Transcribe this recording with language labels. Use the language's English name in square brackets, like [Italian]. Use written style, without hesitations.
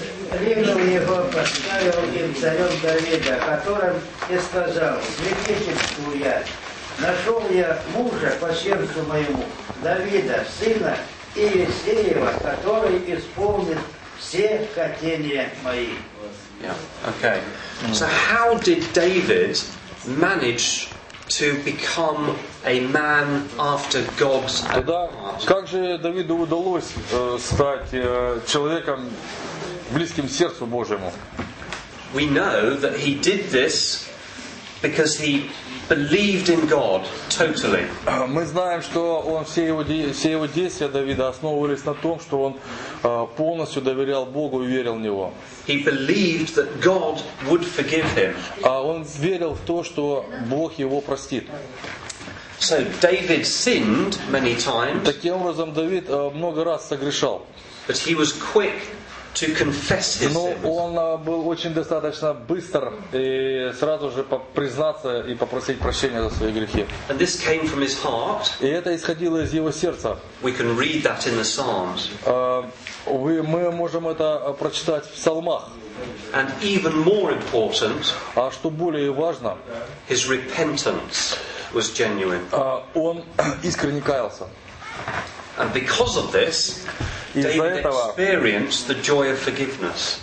[Russian] Принял его, поставил им царем Давида, которым и сказал, свидетельствую я, нашел я мужа по сердцу моему, Давида, сына Иессеева, который исполнит все хотения мои. [English] Yeah. Okay. So how did David manage to become a man after God's heart? [Russian] Как же Давиду удалось стать человеком близким сердцу Божьему? [English] We know that he did this because he believed in God totally. [Russian] Мы знаем, что он все его действия Давида основывались на том, что он полностью доверял Богу и верил в него. [English] He believed that God would forgive him. [Russian] А он верил в то, что Бог его простит. [English] So David sinned many times. [Russian] Таким образом, Давид много раз согрешал. [English] But he was quick to confess his sins. [Russian] Но он был очень достаточно быстр и сразу же признаться и попросить прощения за свои грехи. [English] And this came from his heart. [Russian] И это исходило из его сердца. [English] We can read that in the Psalms. [Russian] Мы можем это прочитать в псалмах. [English] And even more important, [Russian] а что более важно, [English] his repentance was genuine. [Russian] Он искренне каялся. [English] And because of this, [Russian] из-за [English] David [Russian] этого, [English] experienced the joy of forgiveness.